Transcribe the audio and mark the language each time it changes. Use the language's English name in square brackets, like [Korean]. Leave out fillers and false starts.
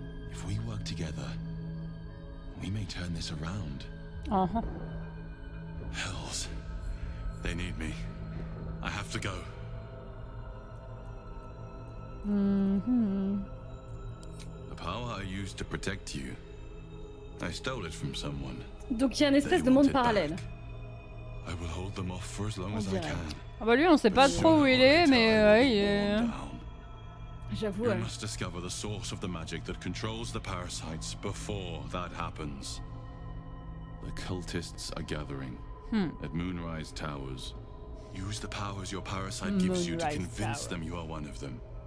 [English] If we work together, we may turn this around. Hells, they need me. I have to go. The power I used to protect you, I stole it from someone. [French] Donc il y a une espèce de monde parallèle. [English] I will hold them off for as long as I can. [French] Ah bah lui on sait pas trop où il est, mais il est... J'avoue. [English] You must discover the source of the magic that controls the parasites before that happens. The cultists are gathering at Moonrise Towers. Use the powers your parasite gives you to convince them you are one of them.